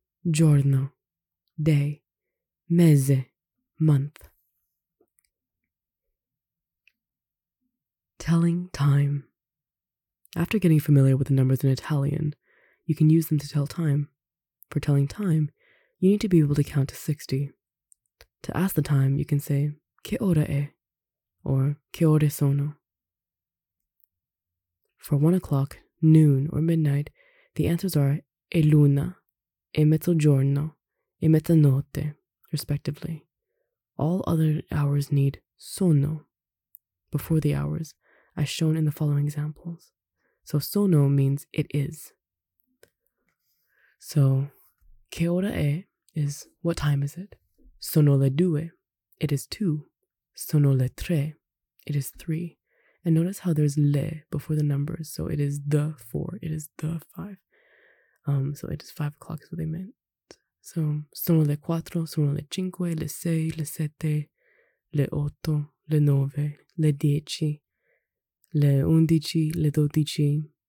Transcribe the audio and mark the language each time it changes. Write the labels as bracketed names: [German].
[English] Giorno, day. Mese, month. Telling time. After getting familiar with the numbers in Italian, you can use them to tell time. For telling time, you need to be able to count to 60. To ask the time, you can say, [Italian] che ora è? [English] Or, [Italian] che ore sono? [English] For 1 o'clock, noon, or midnight, the answers are, [Italian] è luna, è mezzogiorno, è mezzanotte, [English] respectively. All other hours need sono, before the hours, as shown in the following examples. So sono means it is. So, [Italian] che ora è [English] is what time is it? [Italian] Sono le due, [English] it is two. [Italian] Sono le tre, [English] it is three. And notice how there's le before the numbers, so it is the four, it is the five. So it is 5 o'clock is what they meant. [Italian] So, sono le quattro, sono le cinque, le sei, le sette, le otto, le nove, le dieci, le undici, le dodici.